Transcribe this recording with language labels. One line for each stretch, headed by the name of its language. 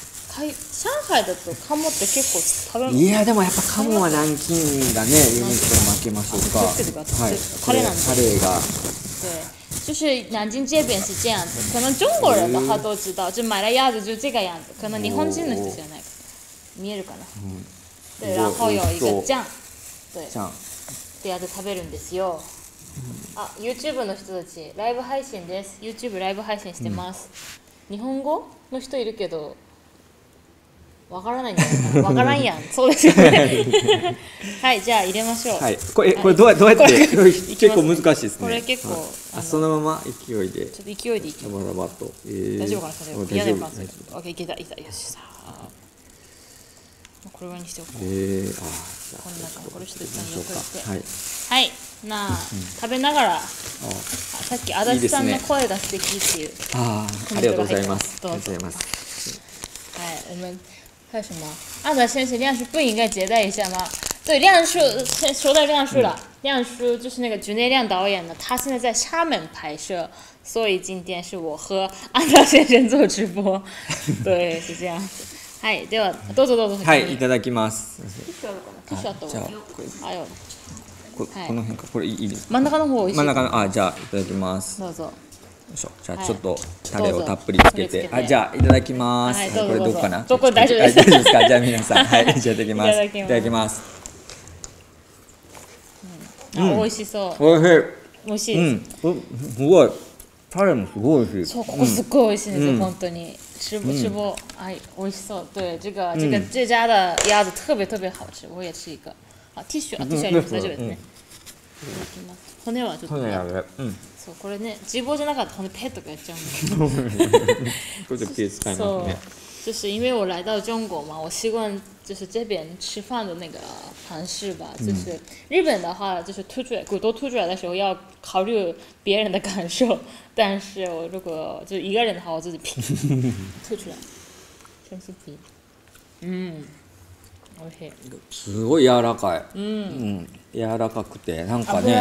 Japanese: はい、上海だとカモって結構食べる。いやでもやっぱカモは南京だね。ユニット負けましょうか。はい、カレーなんです。カレーが。
Chinese: 对，就是南京这边是这样子，可能中国人的话都知道，就买了鸭子就这个样子。可能日本人
Japanese: の人じゃないか。見えるかな？
Chinese: 对，然后有一个酱，对，酱，
Japanese: でやって食べるんですよ。あ、YouTube の人たち、ライブ配信です。 YouTube ライブ配信してます。日本語の人いるけど、わからないんじゃないかな。わからんやん。そうですよね。はい、じゃあ入れましょう。はい、これどうやって結構難しいですね。これ結構、はい、あ、そのまま勢いで。ちょっと勢いでいきます。ババババッと、大丈夫かな、それ。嫌でパスで。OK、いけた、いけた。よし、さあ。これにしておこう。へ、え、ぇ、ー、あ、こんな感じ。これちょっと一旦残して。はい。はい、なあ、食べながら、さっき足立さんの声が素敵っていう、ありがとうございます。ありがとうございます。はい、
Chinese: 我们还有什么？安达先生，亮叔不应该接待一下吗？对，亮叔，先说到亮叔了。亮叔就是那个朱内亮导演的，他现在在厦门拍摄，所以今天是我和安达先生做直播。对，是这样。
Japanese: はい、ではどうぞどうぞ。はい、いただきます。ティッシュあったわ。あよ。この辺か、これいいです。真ん中の方美味しい。真ん中の、あ、じゃあいただきます。どうぞ。よいしょ。じゃあちょっとタレをたっぷりつけて、はい、けてあ、じゃあいただきます。はい、どうぞ。これどうかな。どこ大丈夫です。大丈夫ですか。じゃあ皆さん、はい、じゃあいただきます。いただきます。うん、あ、美味しそう。美味しい。美味しいです。うん、すごい。タレもすごい美味しい。そう、ここすっごい美味しいんですよ、うん、本当に。
Chinese: 吃不吃不、
Japanese: はい、美味しそう。
Chinese: 对、这个、这家的鸭子特别特别好吃。我也吃一个。
Japanese: ティッシュ、あ、ティッシュあります、大丈夫ですね、いただきます。骨はちょっと、ね、骨あれ、うん、そう、これね、脂肪じゃなかったら骨ペッとかやっちゃうんだけどこれで手使いますね。
Chinese: 就是因为我来到中国嘛，我习惯就是这边吃饭的那个方式吧。就是日本的话，就是吐出来骨头吐出来的时候要考虑别人的感受，但是我如果就一个人的话，我自己皮吐出来，全是皮，嗯。
Japanese: すごい柔らかい、うんうん、柔らかくてなんかね、